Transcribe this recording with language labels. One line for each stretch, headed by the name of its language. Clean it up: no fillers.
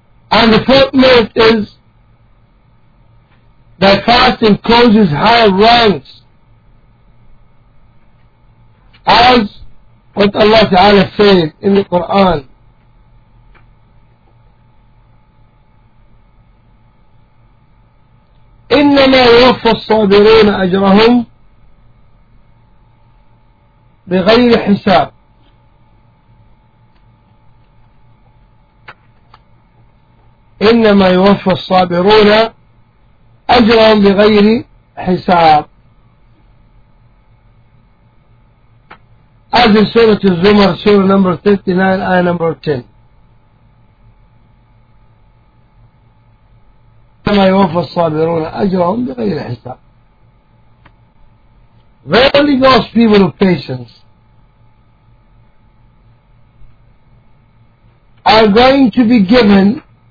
English: And the fourth myth is that fasting causes higher ranks, as what Allah Ta'ala said in the Quran,
Arabic: إِنَّمَا يُوَفَّى الصَّابِرِينَ أَجْرَهُمْ بِغَيْرِ حِسَابٍ. إنما يوفى الصابرون أجرهم بغير حساب. هذه سورة الزمر سورة نمبر 39 آية نمبر 10. إنما يوفى الصابرون أجرهم بغير حساب.
English: Verily those people of patience are going to be given